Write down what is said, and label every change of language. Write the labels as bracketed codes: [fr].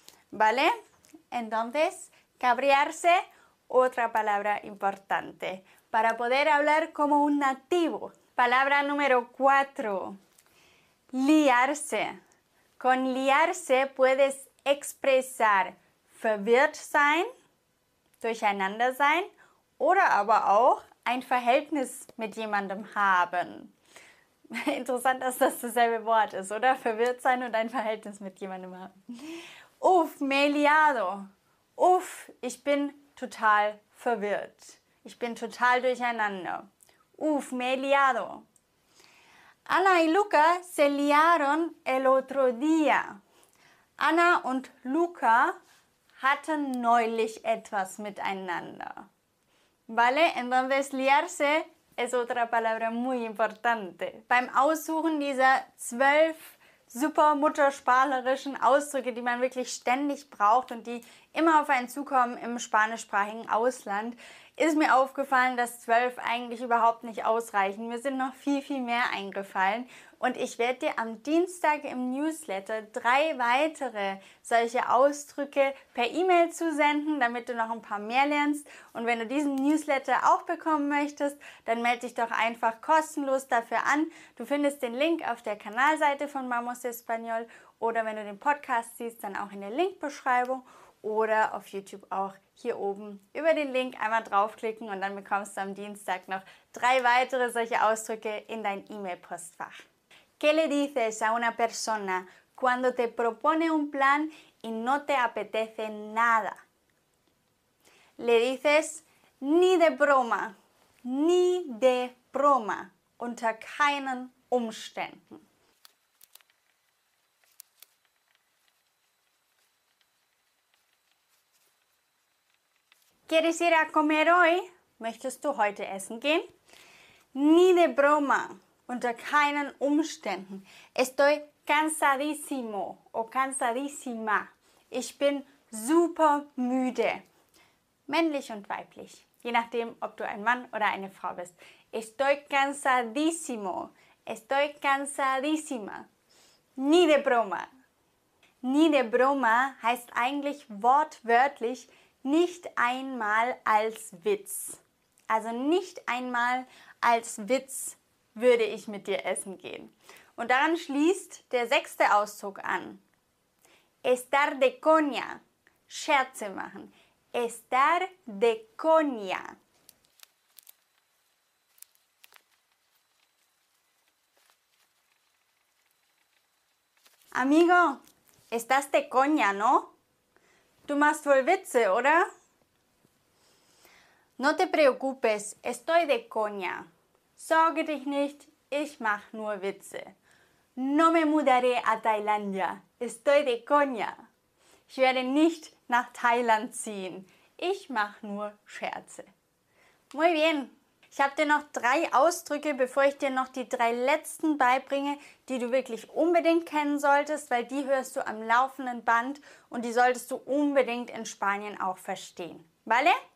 [es] ¿Vale? Entonces, cabrearse, otra palabra importante. Para poder hablar como un nativo. Palabra número 4. Liarse. Con liarse puedes expresar [de] verwirrt sein, durcheinander sein, oder aber auch ein Verhältnis mit jemandem haben. Interessant, dass das dasselbe Wort ist, oder? Verwirrt sein und ein Verhältnis mit jemandem haben. [es] Uf, me he liado. [de] Uf, ich bin total verwirrt. Ich bin total durcheinander. [es] Uf, me he liado. Ana y Luca se liaron el otro día. [de] Anna und Luca hatten neulich etwas miteinander. [es] Vale, entonces liarse es otra palabra muy importante. [de] Beim Aussuchen dieser 12 super muttersprachlerischen Ausdrücke, die man wirklich ständig braucht und die immer auf einen zukommen im spanischsprachigen Ausland, ist mir aufgefallen, dass 12 eigentlich überhaupt nicht ausreichen. Mir sind noch viel, viel mehr eingefallen. Und ich werde dir am Dienstag im Newsletter 3 weitere solche Ausdrücke per E-Mail zusenden, damit du noch ein paar mehr lernst. Und wenn du diesen Newsletter auch bekommen möchtest, dann melde dich doch einfach kostenlos dafür an. Du findest den Link auf der Kanalseite von Vamos Español oder wenn du den Podcast siehst, dann auch in der Linkbeschreibung oder auf YouTube auch hier oben über den Link einmal draufklicken und dann bekommst du am Dienstag noch 3 weitere solche Ausdrücke in dein E-Mail-Postfach. [es] ¿Qué le dices a una persona cuando te propone un plan y no te apetece nada? Le dices, ni de broma, [de] unter keinen Umständen. [es] ¿Quieres ir a comer hoy? [de] ¿Möchtest du heute essen gehen? [es] Ni de broma. [de] Unter keinen Umständen. [es] Estoy cansadísimo o cansadísima. [de] Ich bin super müde. Männlich und weiblich. Je nachdem, ob du ein Mann oder eine Frau bist. [es] Estoy cansadísimo. Estoy cansadísima. Ni de broma. Ni de broma [de] heißt eigentlich wortwörtlich nicht einmal als Witz. Also nicht einmal als Witz würde ich mit dir essen gehen. Und daran schließt der 6. Ausdruck an. [es] Estar de coña. [de] Scherze machen. [es] Estar de coña. Amigo, estás de coña, ¿no? [de] Du machst wohl Witze, oder? [es] No te preocupes, estoy de coña. [de] Sorge dich nicht, ich mach nur Witze. [es] No me mudaré a Tailandia. Estoy de coña. [de] Ich werde nicht nach Thailand ziehen. Ich mach nur Scherze. [es] Muy bien. [de] Ich habe dir noch 3 Ausdrücke, bevor ich dir noch die 3 letzten beibringe, die du wirklich unbedingt kennen solltest, weil die hörst du am laufenden Band und die solltest du unbedingt in Spanien auch verstehen. [es] ¿Vale?